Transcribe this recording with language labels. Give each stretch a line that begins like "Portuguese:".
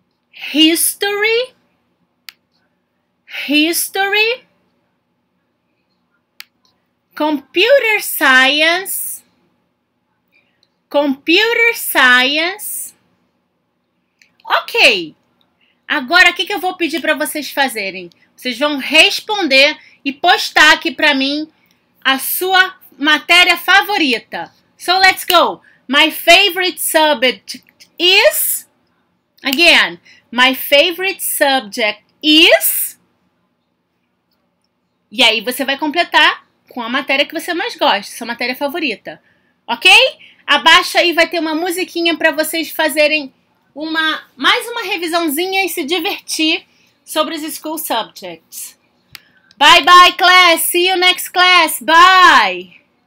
English: history, history, computer science, computer science.
Portuguese: Ok, agora o que eu vou pedir para vocês fazerem? Vocês vão responder e postar aqui para mim a sua matéria favorita.
English: So, let's go. My favorite subject is... Again, my favorite subject is...
Portuguese: E aí você vai completar com a matéria que você mais gosta, sua matéria favorita. Ok? Abaixo aí vai ter uma musiquinha para vocês fazerem... mais uma revisãozinha e se divertir sobre os school subjects.
English: Bye bye, class. See you next class. Bye.